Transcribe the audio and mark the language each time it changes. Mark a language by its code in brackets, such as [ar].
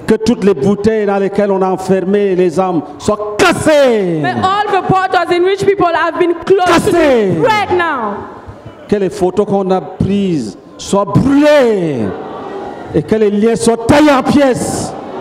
[fr] Que toutes les bouteilles dans lesquelles on a enfermé les âmes soient cassées. [en] May all the bottles in which people have been closed break now. [fr] Que les photos qu'on a prises soient brûlées et que les liens soient taillés en pièces.